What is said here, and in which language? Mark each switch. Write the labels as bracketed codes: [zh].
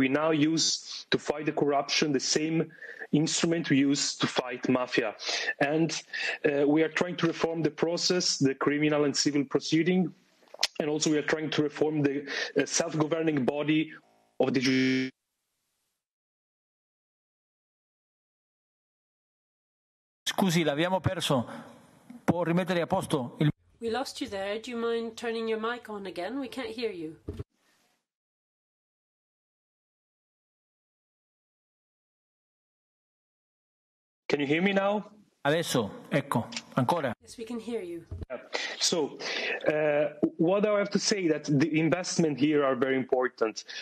[en] We now use to fight the corruption the same instrument we use to fight mafia. And we are trying to reform the process, the criminal and civil proceeding. And also we are trying to reform the self-governing body of the [it] Scusi, l'abbiamo perso. Può rimettere a posto il... [en] We lost you there. Do you mind turning your mic on again? We can't hear you. Can you hear me now? [it] Adesso, ecco, ancora. [en] Yes, we can hear you. So, what I have to say that the investment here are very important.